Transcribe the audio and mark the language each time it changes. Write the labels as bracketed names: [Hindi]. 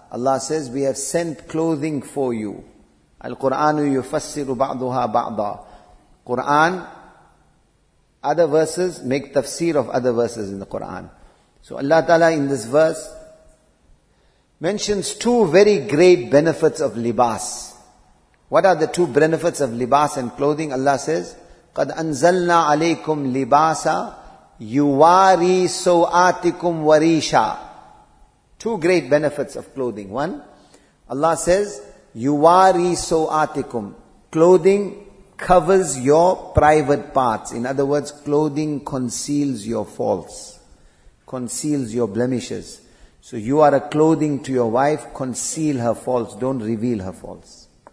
[English] Allah says, we have sent clothing for you. [Arabic] Al-Quran yufassiru ba'duha ba'da. [English] Quran, other verses make tafsir of other verses in the Quran. So Allah Ta'ala in this verse mentions two very great benefits of libas. What are the two benefits of libas and clothing? Allah says, [Arabic] قَدْ أَنزَلْنَا عَلَيْكُمْ لِبَاسًا يُوَارِي سَوْآتِكُمْ وَرِيشَا. [English] Two great benefits of clothing. One, Allah says, [Arabic] يُوَارِي سَوْآتِكُمْ. [English] Clothing covers your private parts. In other words, clothing conceals your faults, conceals your blemishes. So you are a clothing to your wife, conceal her faults, don't reveal her faults.